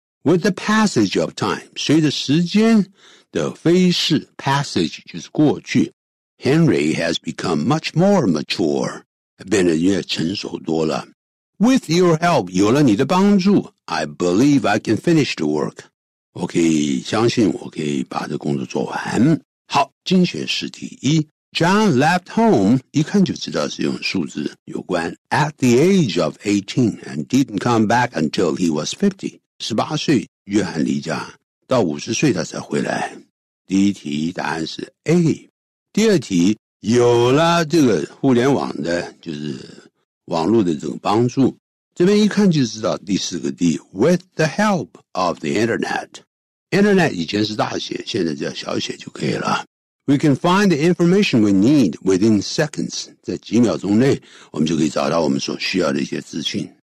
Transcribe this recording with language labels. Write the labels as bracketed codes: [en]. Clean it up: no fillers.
[en] With the passage of time, [zh] 随着时间的飞逝 [en] ,passage [zh] 就是过去。 [en] Henry has become much more mature, [zh] 变得越成熟多了。 [en] With your help, [zh] 有了你的帮助 [en] ,I believe I can finish the work. [zh] 我可以相信我可以把这工作做完。好精选试题一。 [en] John left home, [zh] 一看就知道是用数字有关 [en] at the age of 18 and didn't come back until he was 50. [zh] 18岁约翰离家到50岁他才回来。第一题答案是 A. 第二题有了这个互联网的就是网络的这个帮助。这边一看就知道第四个 D, [en] with the help of the internet. [zh] Internet 以前是大写现在叫小写就可以了。 [en] We can find the information we need within seconds. [zh] 在几秒钟内我们就可以找到我们所需要的一些资讯。